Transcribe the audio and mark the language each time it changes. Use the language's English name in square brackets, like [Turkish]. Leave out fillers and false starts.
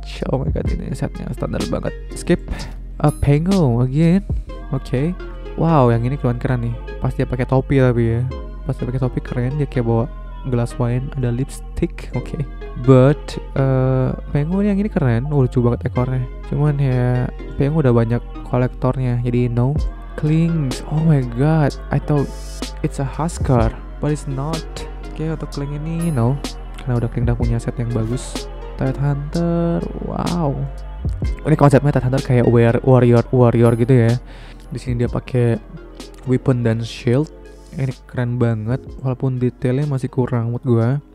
[English] Oh my god, [Indonesian] ini setnya standar banget. Skip. Pango again. Okay. Wow, yang ini keren-keren nih. Pas dia pakai topi tapi ya. Pas dia pakai topi keren, dia kayak bawa gelas wine, ada lipstick. Okay. But Pango yang ini keren, lucu banget ekornya. Cuman ya Pango udah banyak kolektornya. Jadi no. Klings. [English] Oh my god, I thought it's a husker, but it's not. [Indonesian] Okay, untuk Kling ini no. Karena udah Kling udah punya set yang bagus. Tide Hunter. Wow. Ini konsepnya Tide Hunter kayak warrior gitu ya. Di sini dia pakai weapon dan shield. Ini keren banget walaupun detailnya masih kurang mood gua.